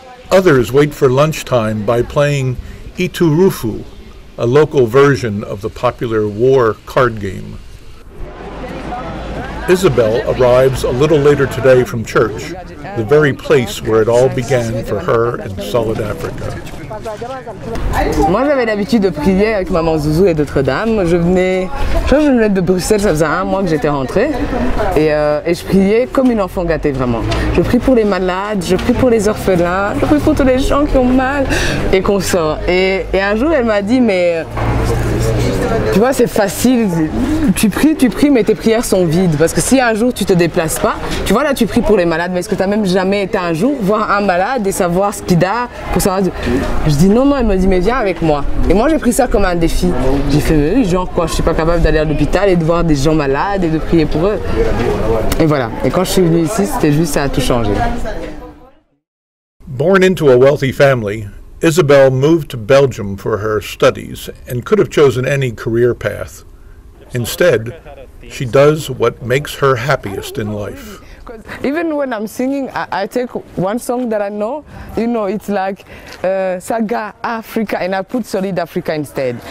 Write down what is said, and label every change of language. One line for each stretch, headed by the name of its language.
English: Others wait for lunchtime by playing Iturufu, a local version of the popular war card game. Isabel arrives a little later today from church, the very place where it all began for her in Solid Africa.
French: Moi, j'avais l'habitude de prier avec maman Zouzou et d'autres dames. Je venais de Bruxelles, ça faisait un mois que j'étais rentrée, et je priais comme une enfant gâtée, vraiment. Je prie pour les malades, je prie pour les orphelins, je prie pour tous les gens qui ont mal et qu'on sort. Et un jour, elle m'a dit, mais tu vois, c'est facile. Tu pries, mais tes prières sont vides. Parce que si un jour tu te déplaces pas, tu vois, là, tu pries pour les malades, mais est-ce que t'as même jamais été un jour voir un malade et savoir ce qu'il a pour savoir. Je dis non, elle me dit mais viens avec moi. Et moi j'ai pris ça comme un défi. J'ai fait genre quoi, je suis pas capable d'aller à l'hôpital et de voir des gens malades et de prier pour eux. Et voilà. Et quand je suis venue ici, c'était juste, ça a tout changé.
English: Born into a wealthy family, Isabel moved to Belgium for her studies and could have chosen any career path. Instead, she does what makes her happiest in life. Even when I'm singing, I take one song that I know, you know, it's like Saga Africa, and I put Solid Africa instead.